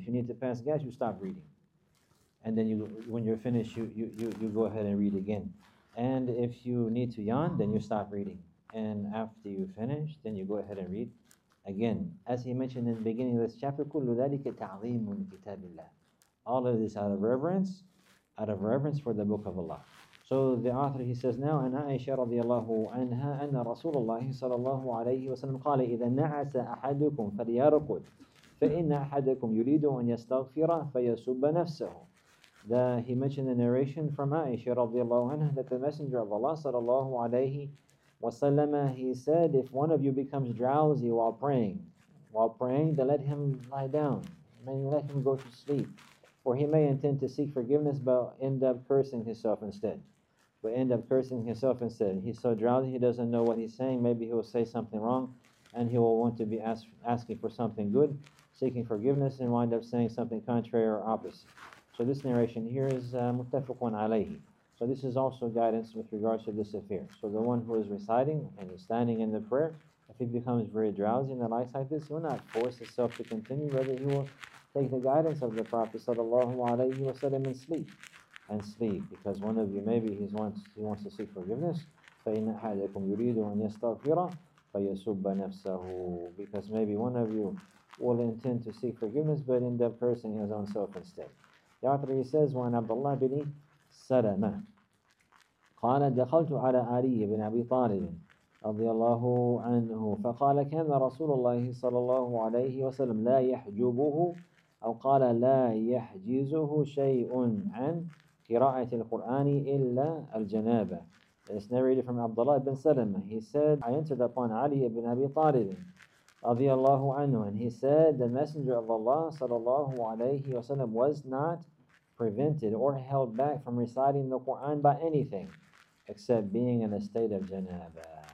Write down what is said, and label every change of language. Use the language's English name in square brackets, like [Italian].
[English] If you need to pass gas, you stop reading. And then when you're finished, you go ahead and read again. And if you need to yawn, then you stop reading. And after you finish, then you go ahead and read. Again, as he mentioned in the beginning of this chapter, [Arabic] كُلُّ ذَلِكَ تَعْظِيمٌ لِكِتَابِ اللَّهِ. [English] All of this out of reverence for the book of Allah. So the author, he says now, [Arabic] أَنَا أَيْشَى رَضِيَ اللَّهُ عَنْهَا أَنَّ رَسُولَ اللَّهِ صَلَى اللَّهُ عَلَيْهِ وَسَلَمْ قَالَ إِذَا نَعَسَ أَحَدُكُمْ فَلْيَرْقُدْ فَإِنَّ أَحَدَكُمْ يُرِيدُ أَنْ يَسْتَغْفِرَ فَيَسُبَّ نَفْسَهُ. [English] He mentioned the narration from Aisha radiallahu anha that the Messenger of Allah sallallahu alayhi wasallam, he said, if one of you becomes drowsy while praying, then let him lie down, meaning let him go to sleep. For he may intend to seek forgiveness but end up cursing himself instead. He's so drowsy he doesn't know what he's saying. Maybe he will say something wrong and he will want to be asking for something good, seeking forgiveness, and wind up saying something contrary or opposite. So this narration here is muttafaqun alayhi. So this is also guidance with regards to this affair. So the one who is reciting and is standing in the prayer, if he becomes very drowsy and the likes like this, he will not force himself to continue, rather he will take the guidance of the Prophet sallallahu alayhi wa sallam and sleep. Because one of you, maybe he wants to seek forgiveness. [Arabic] فَإِنَّ أَحَدَكُمْ يُرِيدُ أَنْ يَسْتَغْفِرَ فَيَسُبَّ نَفْسَهُ. [English] Because maybe one of you will intend to seek forgiveness but end up cursing his own self instead. The author, he says, [Arabic] وَعَنْ عَبْدَ اللَّهِ بِنِي سَلَمَةٍ قَالَ دَخَلْتُ عَلَىٰ عَلِيِّ بِنْ أَبِي طَالِبٍ رضي الله عنه فَقَالَ كان رسول الله صلى الله عليه وسلم لا يحجبه أو قال لا يحجزه شيء عن قراءة القرآن إلا الجنابة. [English] It's narrated from Abdullah ibn Salama. He said, I entered upon Ali ibn Abi Talib رضي الله عنه, and he said, the Messenger of Allah صلى الله عليه وسلم was not prevented or held back from reciting the Quran by anything except being in a state of janaba.